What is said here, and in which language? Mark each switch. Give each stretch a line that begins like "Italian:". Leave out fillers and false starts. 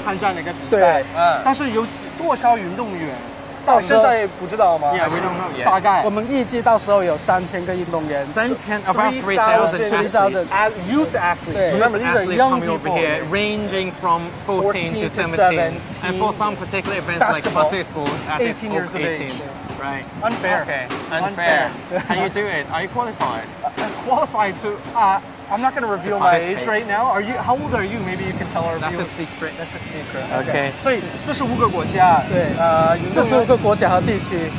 Chinese: 那我们知道一共有45个国家可以参加那个比赛，但是有多少运动员？到现在不知道吗?
English: Yeah, we don't know yet.
Chinese: 大概我们预计到3000个运动员
English: 3000, about 3000 youth athletes. Remember, these are young people over here, ranging from 14 to 17, and for some particular events like basketball, 18 years of age. Right. Unfair. Okay. Unfair. Can you do it? Are you qualified? I'm not going to reveal my age right now. Are you? How old are you? Maybe you can tell our viewers. That's a secret. That's a secret. Okay.
Chinese: 所以45个国家，对，45个国家和地区。